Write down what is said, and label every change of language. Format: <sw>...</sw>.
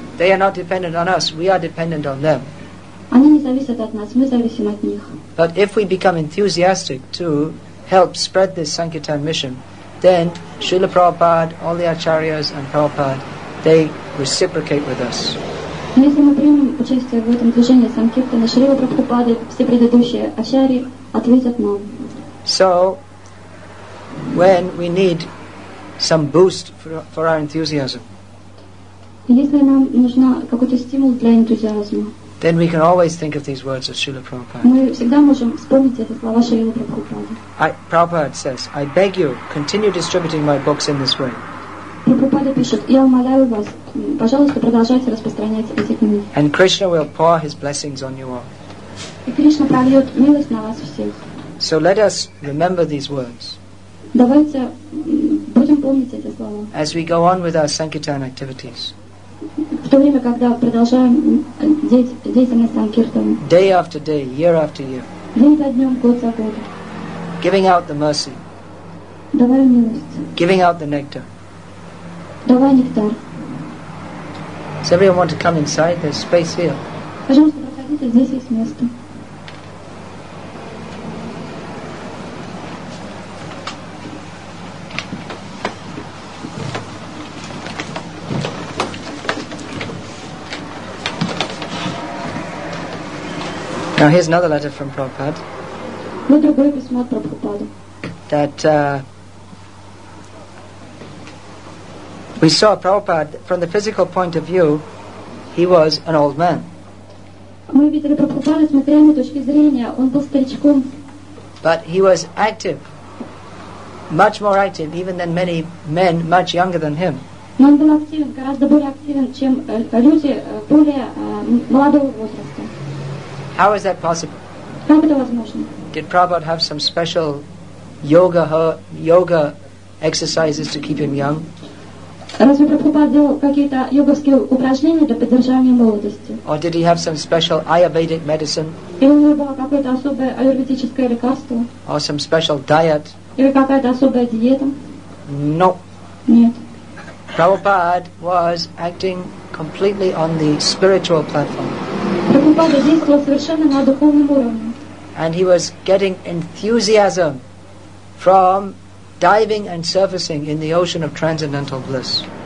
<en>They are not dependent on us, we are dependent on them.</en> <ru>Они не зависят от нас, мы зависим от них.</ru> <en>But if we become enthusiastic to help spread this Sankirtan mission, then Srila Prabhupada, all the Acharyas and Prabhupada, they reciprocate with us.</en> <ru>Если мы примем участие в этом движении Санкиртана, Шрила Прабхупада и все предыдущие Ачарьи ответят нам.</ru> <en>So, when we need some boost for our enthusiasm,</en> <ru>если нам нужна какой-то стимул для энтузиазма,</ru> <en>then we can always think of these words of Srila Prabhupada.</en> <ru>Мы всегда можем вспомнить эти слова Шрилы Прабхупады.</ru> <en>Prabhupada says, "I beg you, continue distributing my books in this way."</en> <ru>Прабхупада пишет, я умоляю вас, пожалуйста, продолжайте распространять эти книги.</ru> <en>And Krishna will pour his blessings on you all.</en> <ru>И Кришна прольет милость на вас всех.</ru> <en>So let us remember these words.</en> <ru>Давайте будем помнить эти слова.</ru> <en>As we go on with our Sankirtan activities.</en> <ru>В то время, когда продолжаем деятельность Санкиртана.</ru> <en>Day after day, year after year.</en> <ru>День за днем, год за годом.</ru> <en>Giving out the mercy.</en> <ru>Давая милость.</ru> <en>Giving out the nectar.</en> <ru>Давая нектар.</ru> <en>Does everyone want to come inside? There's space here.</en> <ru>Пожалуйста, проходите, здесь есть место.</ru> <en>Now here's another letter from Prabhupada.</en> <ru>Другое письмо от Прабхупады.</ru> <en>That we saw Prabhupada from the physical point of view, he was an old man.</en> <ru>Мы видели Прабхупаду с материальной точки зрения, он был старичком.</ru> <en>But he was active, much more active even than many men much younger than him.</en> <ru>Но он был активен, гораздо более активен, чем люди более молодого возраста.</ru> <en>How is that possible?</en> <ru>Как это возможно?</ru> <en>Did Prabhupada have some special yoga exercises to keep him young?</en> <ru>Разве Прабхупада делал какие-то йоговские упражнения для поддержания молодости?</ru> <en>Or did he have some special Ayurvedic medicine?</en> <ru>Или у него было какое-то особое аюрведическое лекарство?</ru> <en>Or some special diet?</en> <ru>Или какая-то особая диета?</ru> <en>No.</en> <ru>Нет.</ru> <en>Prabhupada was acting completely on the spiritual platform.</en> <ru>Прабхупада действовал совершенно на духовном уровне.</ru> <en>And he was getting enthusiasm from diving and surfacing in the ocean of transcendental bliss.</en>